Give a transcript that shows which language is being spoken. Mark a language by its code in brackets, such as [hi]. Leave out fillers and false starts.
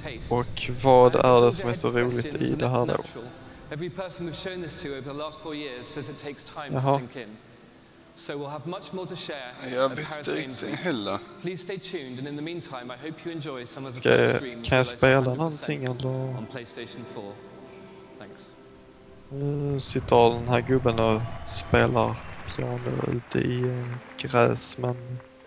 [sv] Och vad är det som är så roligt i det här då? [en] Every person we've shown this to over the last 4 years says it takes time to sink in. So we'll have much more to share. [sv] Jag vet inte riktigt heller. [en] Please stay tuned and in the meantime I hope you enjoy some of the screen. [sv] Kan jag spela någonting eller? [en] On PlayStation 4. Thanks. [sv] Sitter den här gubben och spelar piano ute i gräs, men...